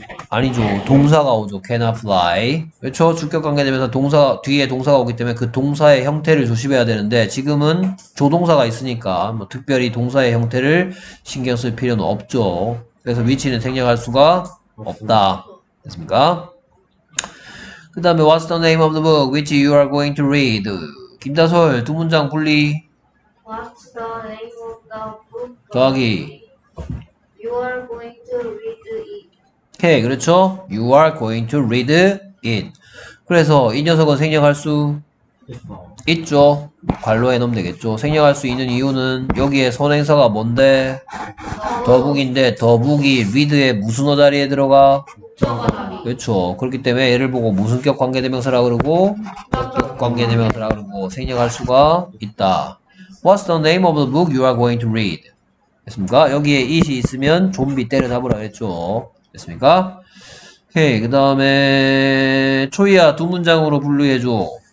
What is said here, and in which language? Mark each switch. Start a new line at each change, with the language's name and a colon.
Korean: 아니죠. 동사가 오죠.
English: Cannot fly.
Korean: 그렇죠. 주격 관계대명사 동사 뒤에 동사가 오기 때문에 그 동사의 형태를 조심해야 되는데 지금은 조동사가 있으니까 뭐 특별히 동사의 형태를 신경 쓸 필요는 없죠. 그래서 위치는 생략할 수가 없다. 됐습니까? 그 다음에
English: What's the name of the book which you are going to read?
Korean: 김다솔 두 문장 분리.
English: What's the name of the book
Korean: 더하기
English: you are going to read it.
Korean: 오케이. 그렇죠.
English: You are going to read it.
Korean: 그래서 이 녀석은 생략할 수 있죠. 관로에 넣으면 되겠죠. 생략할 수 있는 이유는 여기에 선행사가 뭔데? 더북인데 더북이 read의 무슨 어자리에 들어가? 그렇죠. 그렇기 때문에 얘를 보고 무슨 격 관계대명사라 그러고 격 관계대명사라 그러고 생략할 수가 있다.
English: What's the name of the book you are going to read?
Korean: 됐습니까? 여기에 it이 있으면 좀비 때려 잡으라 했죠. 됐습니까? 오케이. 그 다음에 초이야 두 문장으로 분류해 줘.